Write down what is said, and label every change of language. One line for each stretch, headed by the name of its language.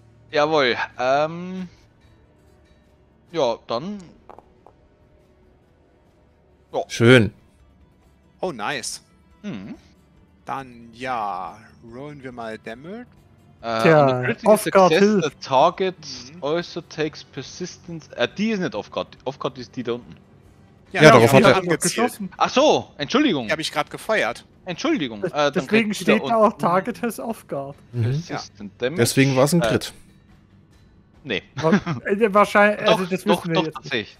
German: Jawohl. Ja, dann. Ja. Schön.
English: Oh, nice. Mhm.
German: Dann, ja, rollen wir mal Damage. Ja, off-guard hilft.
English: The target also takes persistence.
German: Die ist nicht off-guard. Off-guard ist die da unten. Ja, ja, darauf hat er geschossen. Ach so, Entschuldigung. Die habe ich gerade gefeuert. Entschuldigung. Deswegen steht da auch Target has off-guard. Mhm. Ja. Deswegen war es ein Crit. Nee. Wahrscheinlich, also das doch, wir doch, jetzt.